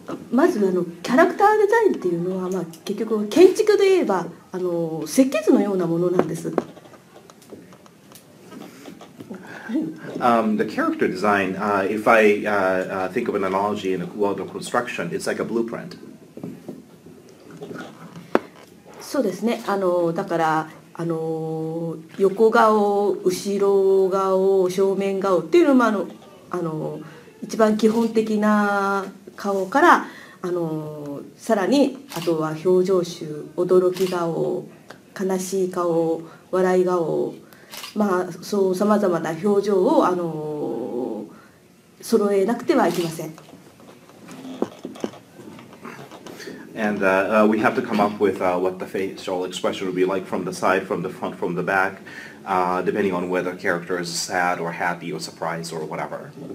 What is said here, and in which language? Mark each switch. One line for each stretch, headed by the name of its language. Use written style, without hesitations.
Japanese: まずキャラクターデザインっていうのは、結局建築で言えば設計図のようなものなんです。
English: The character design, if I think of an analogy in the world of construction, it's like a blueprint.
Japanese: そうですね。だから横顔、後ろ顔、正面顔っていうのも一番基本的な顔からさらにあとは表情集、驚き顔、悲しい顔、笑い顔、そうさまざまな表情を揃えなくてはいけません。
English: And we have to come up with what the facial expression would be like from the side, from the front, from the back, depending on whether character is sad or happy or surprised or whatever.